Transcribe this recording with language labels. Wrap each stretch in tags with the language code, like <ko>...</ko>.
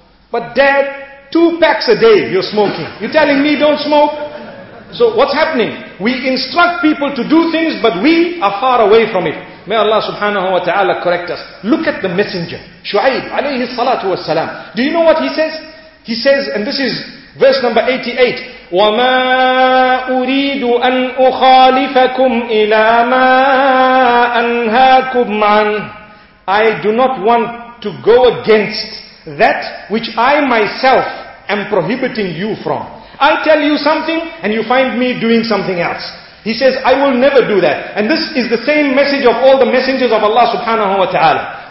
<en>But dad, 2 packs a day you're smoking. You're telling me don't smoke? So what's happening? We instruct people to do things, but we are far away from it. May Allah subhanahu wa ta'ala correct us. Look at the messenger, Shu'aib alayhi salatu wasalam. Do you know what he says? He says, and this is verse number 88.</en> <ar>وَمَا أُرِيدُ أَنْ أُخَالِفَكُمْ إِلَى مَا أَنْهَاكُمْ عَنْ.</ar> <en>I do not want to go against that which I myself am prohibiting you from. I tell you something and you find me doing something else. He says, I will never do that. And this is the same message of all the messengers of Allah subhanahu wa ta'ala.</en>